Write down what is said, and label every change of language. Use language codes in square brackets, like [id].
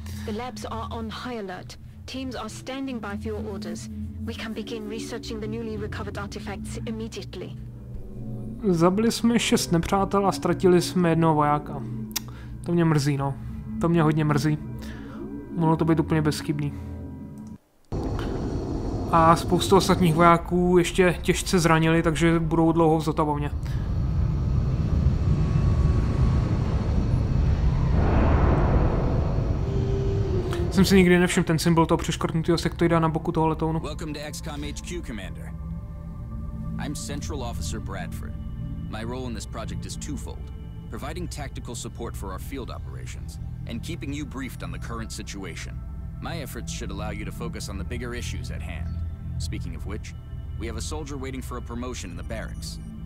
[en] The labs are on high alert. Teams are standing by for your orders. We can begin researching the newly recovered artifacts immediately. [cs] Zabili jsme 6 nepřátel a ztratili jsme jednoho vojáka. To mě mrzí, no. To mě hodně mrzí. Mohlo to být úplně bezchybný. A spoustu ostatních vojáků ještě těžce zranili, takže budou dlouho v zotavovně. Jsem si nikdy nevšiml ten symbol toho přeškrtnutého sektoida na boku toho letounu. [en] Welcome to XCOM HQ, Commander. I'm Central Officer Bradford. My role in this project is twofold: providing tactical support for our field operations and keeping you briefed on the current situation. My efforts should allow you to focus on the bigger issues at hand. Speaking of which, we have a soldier waiting for a promotion in the barracks.